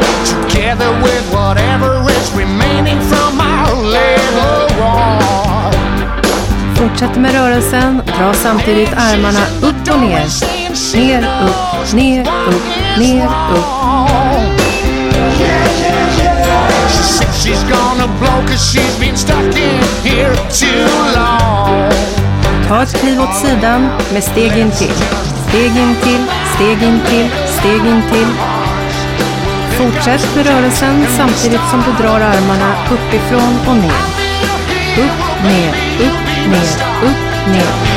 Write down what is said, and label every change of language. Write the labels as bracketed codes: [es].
[en] Together with whatever is remaining from our little war. [sv] Fortsätt med rörelsen. Dra samtidigt armarna upp och ner. Ner, upp, ner, upp, ner, upp. [en] She's gonna blow 'cause she's been stuck in here too long. [sv] Ta ett kliv åt sidan med steg in till. Steg in till, steg in till, steg in till. Fortsätt med rörelsen samtidigt som du drar armarna uppifrån och ner. Upp, ner, upp, ner, upp, ner.